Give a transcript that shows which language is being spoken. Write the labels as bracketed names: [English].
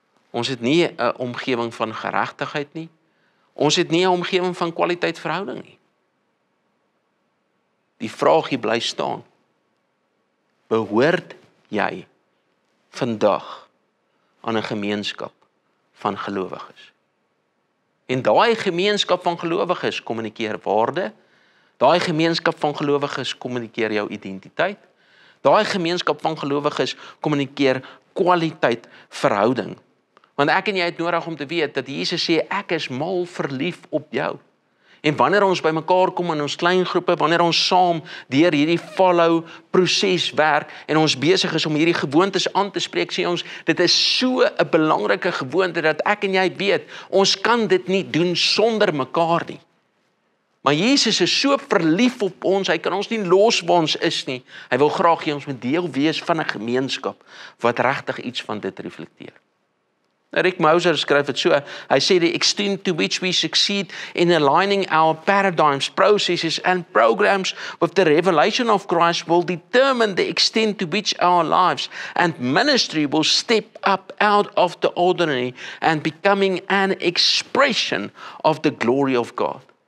[Afrikaans] Ons het nie 'n omgewing van geregtigheid nie. Ons het nie 'n omgewing van kwaliteit verhouding nie. Die vraag hier bly staan. Behoort jy vandag aan 'n gemeenskap van gelowiges? En daai gemeenskap van gelowiges kommunikeer waarde. Daai gemeenskap van gelowiges kommunikeer jou identiteit. Daai gemeenskap van gelowiges kommunikeer kwaliteit verhouding. Want ek en jy het nodig om te weet dat Jesus sê, ek is mal verlief op jou. En wanneer ons by mekaar kom in ons klein groepe, wanneer ons saam deur hierdie follow proses werk en ons besig is om hierdie gewoontes aan te spreek, sê ons, dit is so 'n belangrike gewoonte dat ek en jy weet, ons kan dit nie doen sonder mekaar nie. Maar Jesus is so verlief op ons, hy kan ons nie los waar ons is nie. Hy wil graag hê ons moet deel wees van 'n gemeenskap wat regtig iets van dit reflekteer. Rick Mauser skryf het so, hy sê, [English] the extent to which we succeed in aligning our paradigms, processes and programs with the revelation of Christ will determine the extent to which our lives and ministry will step up out of the ordinary and becoming an expression of the glory of God.